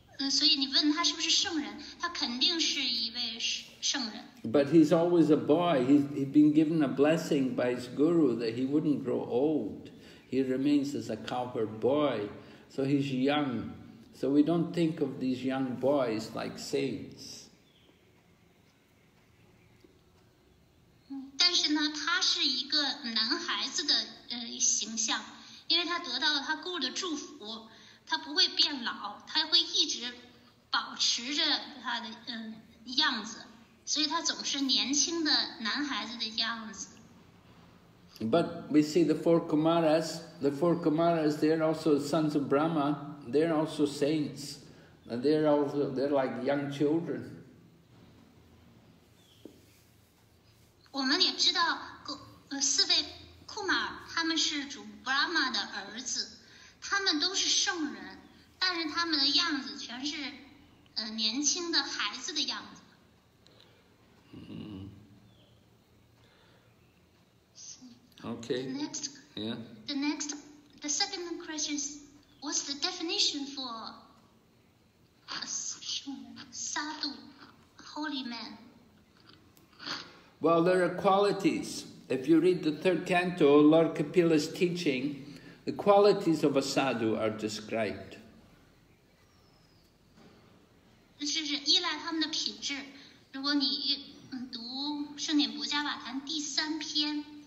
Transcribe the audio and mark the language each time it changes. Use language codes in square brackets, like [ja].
[zh] 所以你问他是不是圣人，他肯定是一位圣人。 [en] But he's always a boy. He's been given a blessing by his guru that he wouldn't grow old. He remains as a cowherd boy. So he's young. So we don't think of these young boys like saints. [zh] 但是呢，他是一个男孩子的形象，因为他得到了他guru的祝福，他不会变老，他会一直保持着他的样子。所以他总是年轻的男孩子的样子。 [en] But we see the four Kumaras, they're also sons of Brahma, they're also saints, and they're like young children. [zh] 我们也知道，四位库玛他们是主 Brahma 的儿子，他们都是圣人，但是他们的样子全是年轻的孩子的样子。 [en] Okay. The second question is, what's the definition for a sadhu, holy man? Well, there are qualities. If you read the third canto, Lord Kapila's teaching, the qualities of a sadhu are described. [zh] 就是依赖他们的品质。如果你读圣典不加瓦坛第三篇。